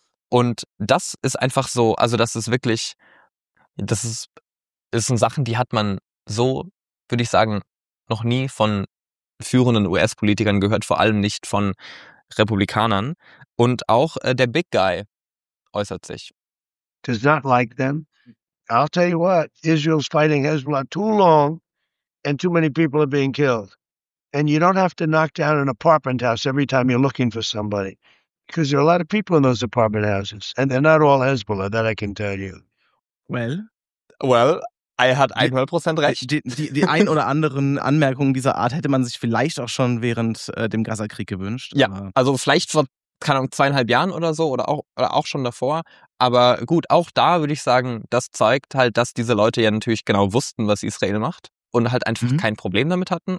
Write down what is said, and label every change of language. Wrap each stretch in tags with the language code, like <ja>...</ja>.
<de>Und das ist einfach so, also das ist wirklich, das sind Sachen, die hat man so, würde ich sagen, noch nie von führenden US-Politikern gehört, vor allem nicht von Republikanern. Und auch der Big Guy äußert sich.</de> <en>Does not like them. I'll tell you what, Israel's fighting Hezbollah too long and too many people are being killed. And you don't have to knock down an apartment house every time you're looking for somebody. Because there are a lot of people in those apartment houses and they're not all Hezbollah, that I can tell you.</en> <de>Well, er hat 100% recht. Die ein oder anderen Anmerkungen dieser Art hätte man sich vielleicht auch schon während dem Gaza-Krieg gewünscht. Ja, also vielleicht vor, keine Ahnung, 2,5 Jahren oder so oder auch schon davor. Aber gut, auch da würde ich sagen, das zeigt halt, dass diese Leute ja natürlich genau wussten, was Israel macht und halt einfach kein Problem damit hatten.</de>